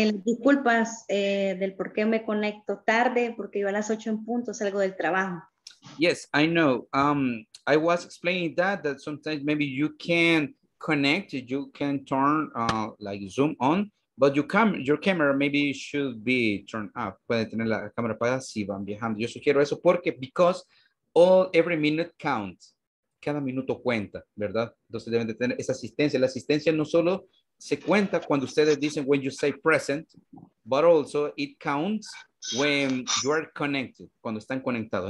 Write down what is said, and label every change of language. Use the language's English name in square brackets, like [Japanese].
[Spanish] Disculpas del por qué me conecto tarde, porque yo a las 8 en punto salgo del trabajo. [English] Yes, I know. I was explaining that sometimes maybe you can connect, you can turn like Zoom on, but your camera maybe should be turned up. [Spanish] Puede tener la cámara apagada si van viajando. Yo sugiero eso porque, [English] because every minute counts. [Spanish] Cada minuto cuenta, ¿verdad? Entonces deben de tener esa asistencia. La asistencia no solo se cuenta cuando ustedes dicen [English] when you say present, but also it counts when you are connected, [Spanish] cuando están conectados.